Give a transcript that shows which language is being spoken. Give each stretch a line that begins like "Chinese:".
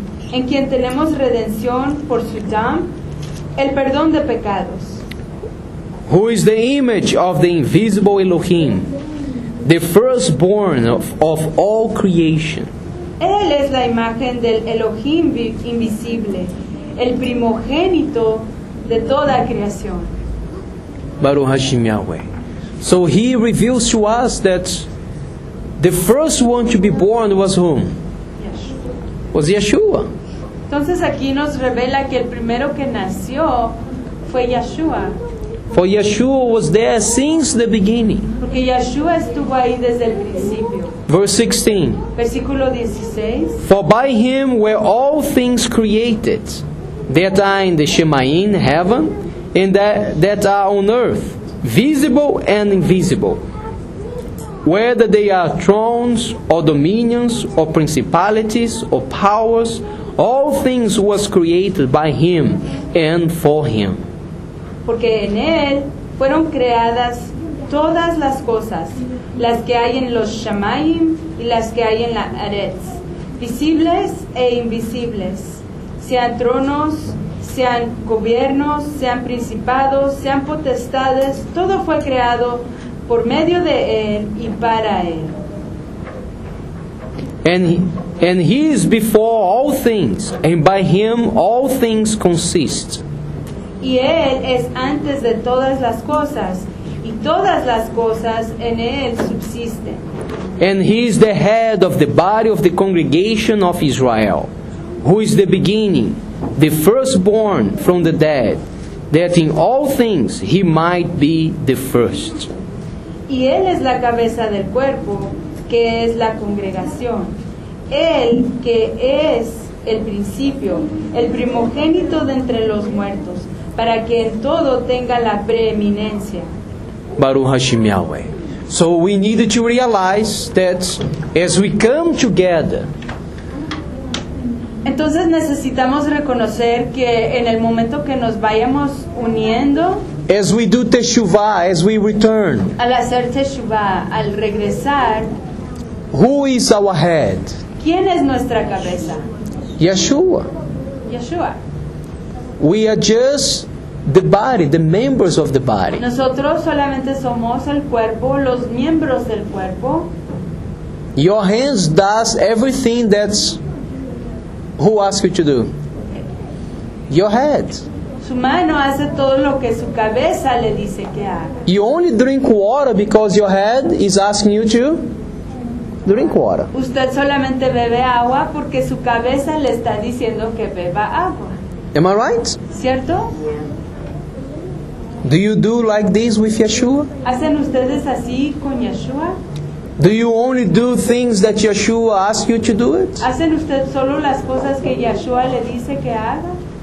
Spanish: En quien tenemos redención por su dam, el perdón de pecados.
English: Who is the image of the invisible Elohim, the firstborn of all creation.
Spanish: Él es la imagen del Elohim invisible, el primogénito de toda creación.
Hebrew: Baruch Hashem Yahweh.
English: So he reveals to us that the first one to be born was whom? Yeshua. Was Yeshua.
Spanish: Entonces aquí nos revela que el primero que nació fue Yeshua.
English: For Yeshua was there since the beginning.
Spanish: Porque Yeshua estuvo ahí desde el principio.
English: Verse 16.
Spanish: Versículo 16.
English: For by him were all things created, that are in the Shemayin, heaven, and that are on earth, visible and invisible. Whether they are thrones or dominions or principalities or powers, all things was created by him and for him.
Spanish: Porque en él fueron creadas todas las cosas, las que hay en los Shamayim y las que hay en la Aretz, visibles e invisibles, sean tronos, sean gobiernos, sean principados, sean potestades, todo fue creado por medio de él y para él.
English: And he is before all things, and by him all things consist.
Spanish: Y él es antes de todas las cosas, y todas las cosas en él subsisten.
English: And he is the head of the body of the congregation of Israel, who is the beginning, the firstborn from the dead, that in all things he might be the first.
Spanish: Y él es la cabeza del cuerpo, que es la congregación. Él que es el principio, el primogénito de entre los muertos, para que en todo tenga la preeminencia.
Hebrew: Baruch Hashem Yahweh.
English: So we need to realize that as we come together.
Spanish: Entonces necesitamos reconocer que en el momento que nos vayamos uniendo.
English: As we do teshuvah, as we return.
Spanish: Al hacer teshuvah, al regresar.
English: Who is our head?
Spanish: ¿Quién es nuestra cabeza?
English: Yeshua.
Spanish: Yeshua.
English: We are just the body, the members of the body.
Spanish: Nosotros solamente somos el cuerpo, los miembros del cuerpo.
English: Your hands does everything that's who asks you to do. Your head.
Spanish: Su mano hace todo lo que su cabeza le dice que haga.
English: You only drink water because your head is asking you to drink water.
Spanish: Usted solamente bebe agua porque su cabeza le está diciendo que beba agua.
English: Am I right?
Spanish: ¿Cierto?
English: Do you do like this with Yeshua?
Spanish: ¿Hacen ustedes así con Yeshua?
English: Do you only do things that Yeshua asks you to do it?
Spanish: ¿Hacen ustedes solo las cosas que Yeshua le dice que haga?